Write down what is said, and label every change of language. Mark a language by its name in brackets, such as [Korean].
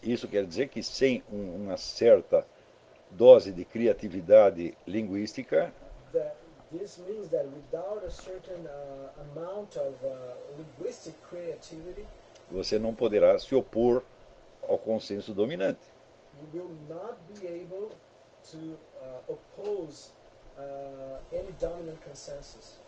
[Portuguese] Isso quer dizer que sem uma certa dose de criatividade linguística, [English] this means that without a certain amount of linguistic creativity, [Portuguese] você não poderá se opor ao consenso dominante. [English] You will not be able to oppose any dominant consensus.